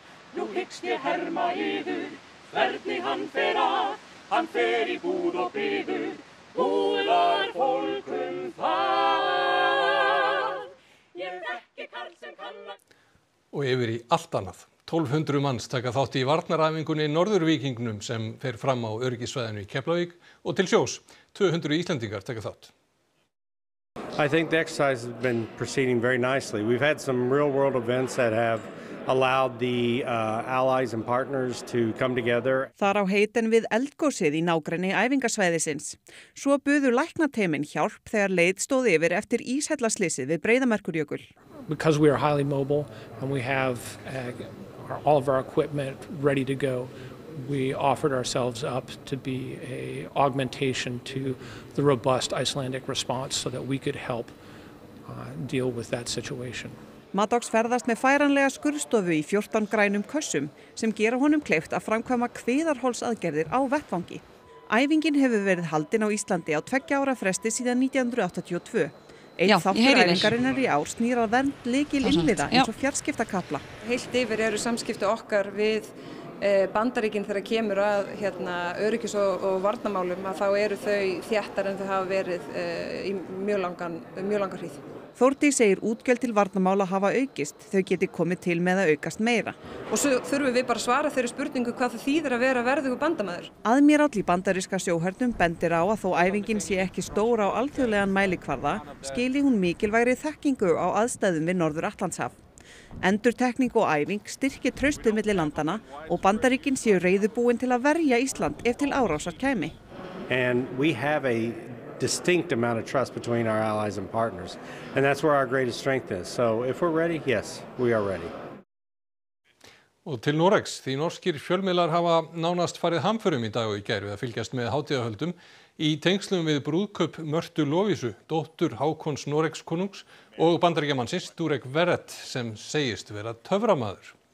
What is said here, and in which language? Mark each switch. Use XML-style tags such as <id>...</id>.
<is>hyggst ég herma yður, hvernig hann fer að, hann fer í búð og byður, búð var fólkum það. Ég þekki karl sem kann að... Og yfir í allt annað. 1200 manns taka þátt í varnaræfingunni Norðurvíkingnum sem fer fram á öryggisvæðinu í Keflavík og til sjós 200 Íslendingar taka þátt.</is> <en>I think the exercise has been proceeding very nicely. We've had some real world events that have allowed the allies and partners to come together.</en> <is>Þar á heitin við eldgósið í nágrenni æfingasvæðisins. Svo buðu læknateymin hjálp þegar leið stóð yfir eftir íshellaslysið við Breiðamerkurjökul.</is> <en>Because we are highly mobile and we have all of our equipment ready to go, we offered ourselves up to be a augmentation to the robust Icelandic response so that we could help deal with that situation.</en> <is>Maddox ferðast með færanlega skurðstofu í 14 grænum kössum sem gera honum kleift að framkvæma kviðarholsaðgerðir á vettvangi. Æfingin hefur verið haldin á Íslandi á 2 ára fresti síðan 1982. Einn þáttur æfingarinnar í ár snýr að vernd lykil innviða eins og fjarskiptakafla. Heilt yfir eru samskipti okkar við Bandaríkin þegar kemur að hérna, öryggis og varnamálum að þá eru þau þéttar en þau hafa verið í mjög langar hríð. Þórdís segir útgjöld til varnamála hafa aukist, þau geti komið til með að aukast meira. Og svo þurfum við bara að svara þeirri spurningu hvað það þýðir að vera verðugur bandamaður. Aðmíráll í bandaríska sjóhernum bendir á að þó æfingin sé ekki stór á alþjóðlegan mælikvarða, skili hún mikilvægri þekkingu á aðstæðum við Norður Atlantshaf. Endurtekning og æfing styrkir traustið milli landanna og Bandaríkin séu reiðubúin til að verja Ísland ef til árásar kæmi.</is> <en>And we have a distinct amount of trust between our allies and partners and that's where our greatest strength is. So if we're ready, yes, we are ready.</en> <is>Og til Noregs, því norskir fjölmiðlar hafa nánast farið hamförum í dag og í gær við að fylgjast með hátíðahöldum í tengslum við brúðkaup Mörtu Lovísu, dóttur Hákons Noregs konungs og bandaríkjamannsins Durek Verrett sem segist vera töframaður.</is>